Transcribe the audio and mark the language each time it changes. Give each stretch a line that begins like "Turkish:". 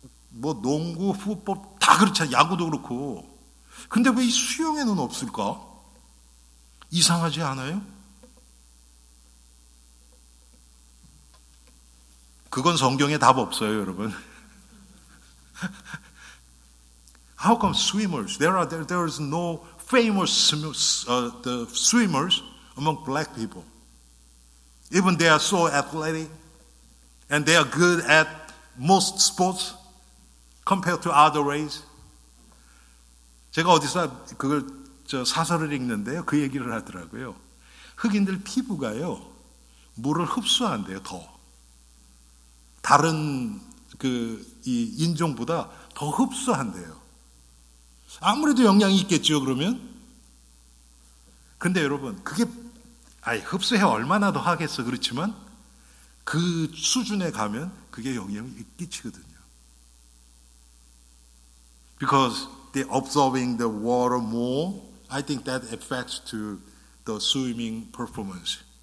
Korean: 뭐 농구, 풋볼 다 그렇잖아요. 야구도 그렇고. 근데 왜 이 수영에는 없을까? 이상하지 않아요? 그건 성경에 답 없어요, 여러분.
English: How come swimmers? There is no famous the swimmers among black people. Even they are so athletic and they are good at most sports compared to other race.
Korean: 제가 어디서 그걸 저 사설을 읽는데요. 그 얘기를 하더라고요. 흑인들 피부가요. 물을 흡수한대요. 더. 다른 그 이 인종보다 더 흡수한대요. 아무래도 영향이 있겠죠, 그러면? 근데 여러분, 그게 아니 흡수해 얼마나 더 하겠어. 그렇지만 그 수준에 가면 그게 영향이 끼치거든요.
English: Because they absorbing the water more, I think that affects to the swimming performance.